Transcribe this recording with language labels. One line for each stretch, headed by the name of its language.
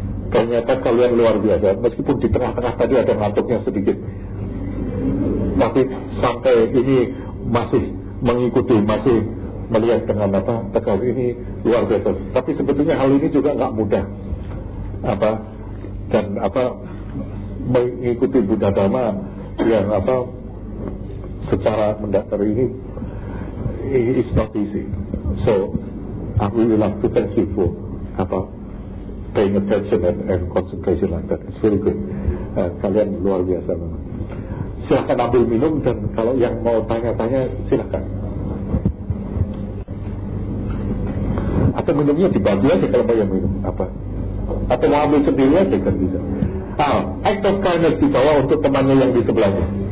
Indonesian: Ternyata kalian luar biasa, meskipun di tengah-tengah tadi ada ngantuknya sedikit, tapi sampai ini masih mengikuti, masih melihat dengan apa tegak ini luar biasa. Tapi sebetulnya hal ini juga nggak mudah, apa, dan apa mengikuti Buddha Dhamma yang apa secara mendatar ini
English: is not easy. So I would like to thank you for
Indonesian: apa
English: paying attention and concentration like that. It's very good.
Indonesian: Kalian luar biasa memang. Silakan ambil minum, dan kalau yang mau tanya-tanya silakan. Atau minumnya dibagi aja kalau banyak minum apa. Atau mau ambil sendiri aja kan bisa. Ah,
English: act of kindness
Indonesian: di bawah untuk temannya yang di sebelahnya.